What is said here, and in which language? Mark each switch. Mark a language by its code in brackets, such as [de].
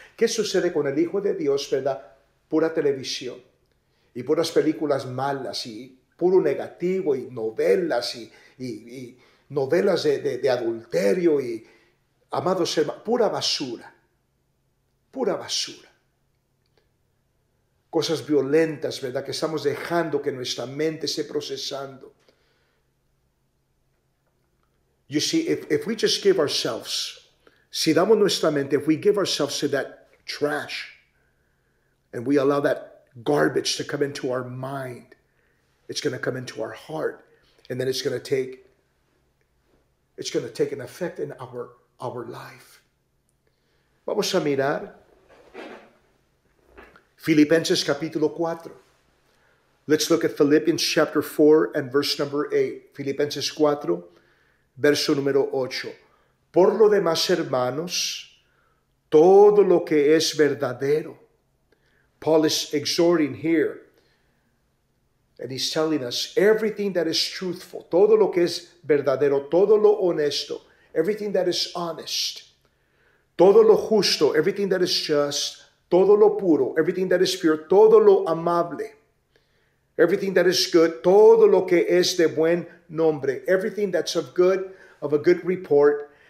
[es] ¿Qué sucede con el hijo de Dios, verdad? Pura televisión y puras películas malas y puro negativo y novelas y novelas de adulterio y amados hermanos, pura basura. Cosas violentas, ¿verdad? Que estamos dejando que nuestra mente esté procesando. [en] You see, if we just give ourselves, [es] si damos nuestra mente, [en] if we give ourselves to that trash, and we allow that garbage to come into our mind, it's going to come into our heart, and then it's going to take an effect in our life. [es] Vamos a mirar Filipenses capítulo 4. [en] Let's look at Philippians chapter 4 and verse number 8. [es] Filipenses 4, verso número 8. Por lo demás, hermanos, todo lo que es verdadero. [en] Paul is exhorting here. And he's telling us everything that is truthful, [es] todo lo que es verdadero, todo lo honesto, [en] everything that is honest, [es] todo lo justo, [en] everything that is just, [es] todo lo puro, [en] everything that is pure, [es] todo lo amable, [en] everything that is good, [es] todo lo que es de buen nombre, [en] everything that's of good, of a good report.